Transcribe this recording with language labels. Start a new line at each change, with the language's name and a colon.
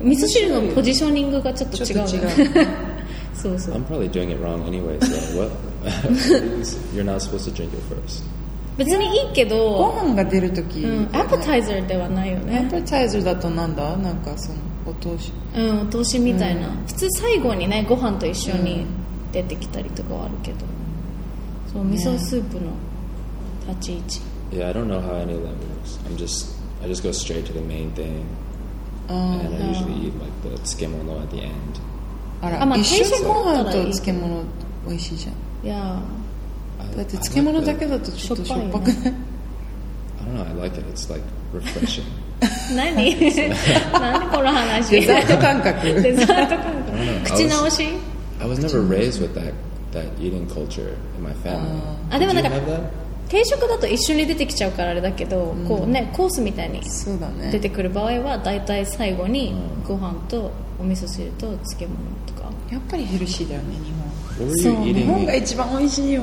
Japanese: そう。あと飲む行った時も最後になんか締めのあの、なんか、あ、最初か、最初にあの、アップタイザーのスープですって言って味噌汁出てきたりとか。え、最初に味噌汁飲むのかみたいな。とかね。味噌汁のポジショニングがちょっと違うんだよね。そうそう。
English: I'm probably doing it wrong anyway, so what? You're not supposed to drink it first.
Japanese: 別にいいけどご飯が出る時アップタイザーではないよねアップタイザーだとなんだ? なんかそのお通しお通しみたいな 普通最後にね ご飯と一緒に出てきたりとかはあるけど そう 味噌スープの立ち位置
English: Yeah, I don't know how any of that works. I just go straight to the main thing. And I usually eat like the tsukemono at the end.
Japanese: あら、一緒ご飯と漬物美味しいじゃん。いや。だって漬物だけだとちょっとしょっぱくない?
English: I don't know, I like it. It's like refreshing.
Japanese: 何なんでこの話デザート感覚デザート感覚口直し
English: I was never raised with that eating culture in my family.
Japanese: でもなんか定食だと一緒に出てきちゃうからあれだけど、うん、こうねコースみたいに出てくる場合はだいたい最後にご飯とお味噌汁と漬物とかやっぱりヘルシーだよね日本そう、ね、日本が一番美味しいよ